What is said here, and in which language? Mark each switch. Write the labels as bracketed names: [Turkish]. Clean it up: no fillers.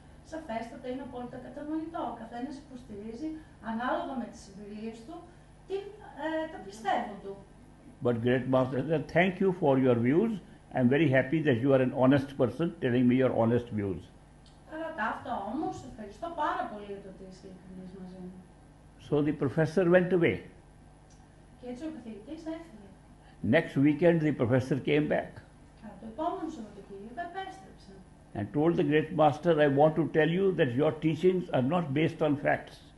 [Greek] Σαφέστατα είναι απόλυτα κατανοητό. Ο καθένας υποστηρίζει ανάλογα με τις εμπειρίες του την, τα πιστεύω του. [English] But great master said, thank you for your views. I'm very happy that you are an honest person telling me your honest views. [Greek] Αλλά τα αυτά όμως, ευχαριστώ πάρα πολύ για το ότι είσαι ειλικρινής μαζί μου. [English] So the professor went away. [Greek] Και έτσι ο καθηγητής έφυγε. [English] Next weekend the professor came back. [Greek] Αλλά το επόμενο Σαββατοκύριακο επέστρεψε. [English] And told the great master, I want to tell you that your teachings are not based on facts.